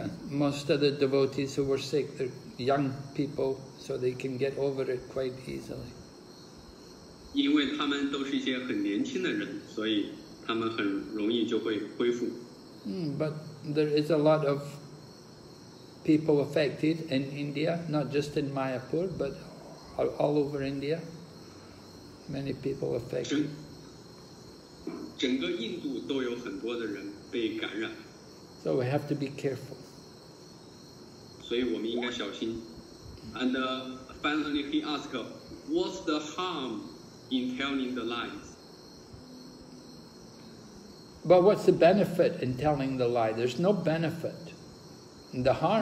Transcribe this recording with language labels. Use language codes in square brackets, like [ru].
[en] Most of the devotees who were sick, they're young people, so they can get over it quite easily. [zh] 因为他们都是一些很年轻的人，所以他们很容易就会恢复。 [en] But there is a lot of people affected in India, not just in Mayapur, but all over India. Many people affected. [zh] 整个印度都有很多的人被感染。 [en] So we have to be careful. [zh] 所以我们应该小心。 [en] And finally he asked, what's the harm in telling the lies? But what's the benefit in telling the lie? There's no benefit. The harm